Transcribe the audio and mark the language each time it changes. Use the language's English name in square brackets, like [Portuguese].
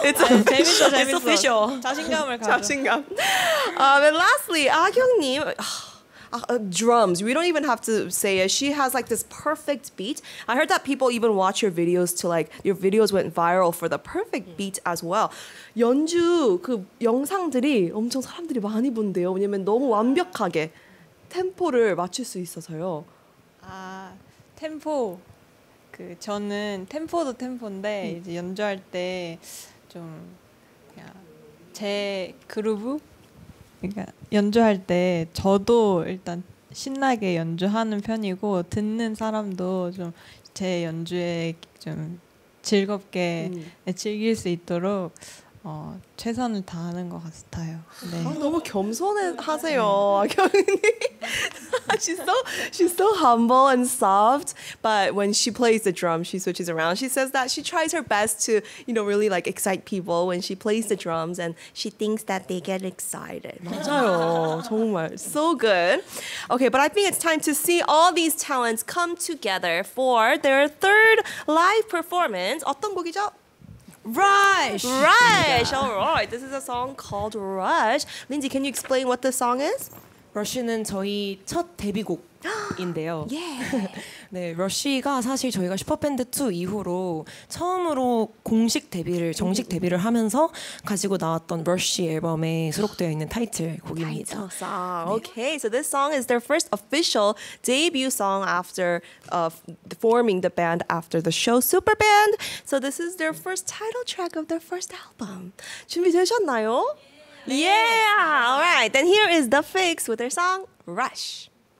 [English] It's official. It's official. [Korean] 자신감을 가져. 자신감. [English] Then lastly, 아경님. Drums. We don't even have to say it. She has like this perfect beat. I heard that people even watch your videos to like your videos went viral for the perfect beat as well. [Korean] 연주 그 영상들이 엄청 사람들이 많이 본대요. 왜냐면 너무 완벽하게 템포를 맞출 수 있어서요. 아 템포. 그 저는 템포도 템포인데 이제 연주할 때 좀 제 그루브. 그러니까 연주할 때 저도 일단 신나게 연주하는 편이고 듣는 사람도 좀 제 연주에 좀 즐겁게 즐길 수 있도록 최선을 다하는 것 같아요. 네. 아, 너무 겸손하세요, 경은이. [English] she's so humble and soft. But when she plays the drum, she switches around. She says that she tries her best to, you know, really like excite people when she plays the drums, and she thinks that they get excited. [Korean] 맞아요, 정말 [English] so good. Okay, but I think it's time to see all these talents come together for their third live performance. [Korean] 어떤 곡이죠? [English] Rush! Rush! Yeah. Alright, this is a song called Rush. Lindsay, can you explain what the song is? [Korean] Rush는 저희 첫 데뷔곡인데요. [English] Yeah. [Korean] 네, Rush가 사실 저희가 슈퍼밴드 2 이후로 처음으로 공식 데뷔를, 정식 데뷔를 하면서 가지고 나왔던 Rush 앨범에 수록되어 있는 타이틀 곡입니다. [English] Title song. 네. Okay, so this song is their first official debut song after forming the band after the show Superband. So this is their first title track of their first album. [Korean] 준비되셨나요? Yeah! [English] All right, then here is The Fix with their song, Rush.